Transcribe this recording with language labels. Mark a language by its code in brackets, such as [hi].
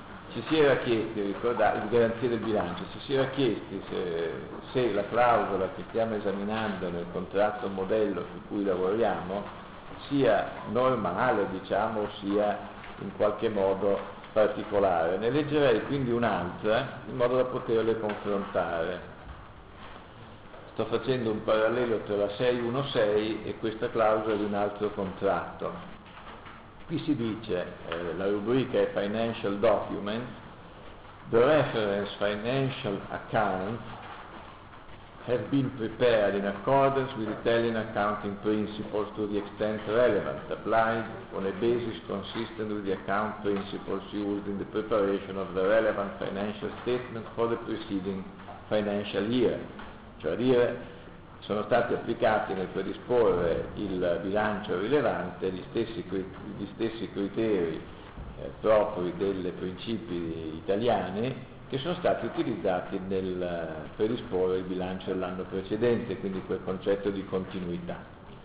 [it] Ci si era chiesti, ricordate, di garanzie del bilancio, ci si era chiesti se la clausola che stiamo esaminando nel contratto modello su cui lavoriamo sia normale, diciamo, sia in qualche modo particolare. Ne leggerei quindi un'altra in modo da poterle confrontare. Sto facendo un parallelo tra la 6.1.6 e questa clausola di un altro contratto. Qui si dice, la rubrica è [en] Financial Documents, the reference financial accounts have been prepared in accordance with Italian accounting principles to the extent relevant, applied on a basis consistent with the account principles used in the preparation of the relevant financial statement for the preceding financial year. [it] Cioè dire, sono stati applicati nel predisporre il bilancio rilevante gli stessi criteri propri dei principi italiani che sono stati utilizzati nel predisporre il bilancio dell'anno precedente, quindi quel concetto di continuità.